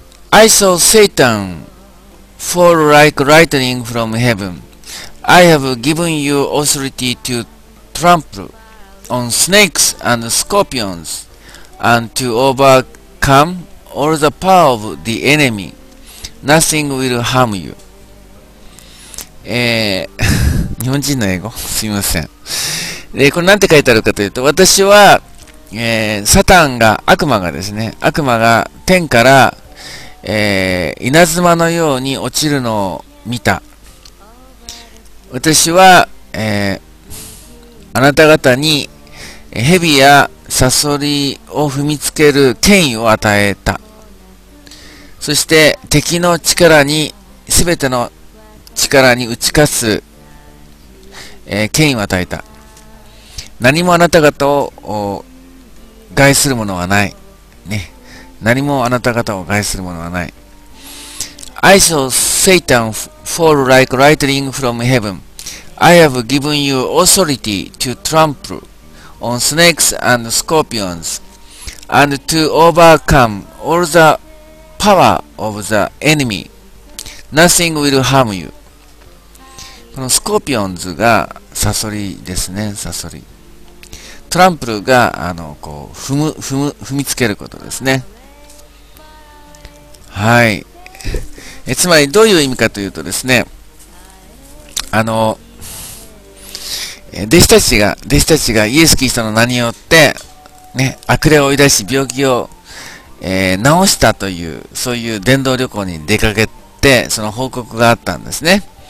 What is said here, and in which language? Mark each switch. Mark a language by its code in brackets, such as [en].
[en] I saw Satan fall like lightning from heaven. I have given you authority to trample on snakes and scorpions and to overcome all the power of the enemy. Nothing will harm you. [ja] 日本人の英語すみません。これなんて書いてあるかというと、私は、サタンが、悪魔がですね、悪魔が天から、稲妻のように落ちるのを見た。私は、あなた方に蛇やサソリを踏みつける権威を与えた。そして敵の力に、すべての力に打ち勝つ、権威を与えた。何もあなた方を害するものはない。ね。何もあなた方を害するものはない。 [en] I saw Satan fall like lightning from heaven. I have given you authority to trample on snakes and scorpions and to overcome all the power of the enemy. Nothing will harm you. [ja] このスコーピオンズがサソリですね、サソリ。トランプルが、こう、踏みつけることですね。はい。つまりどういう意味かというとですね、弟子たちがイエス・キリストの名によって、ね、悪霊を追い出し病気を、治したという、そういう伝道旅行に出かけて、その報告があったんですね。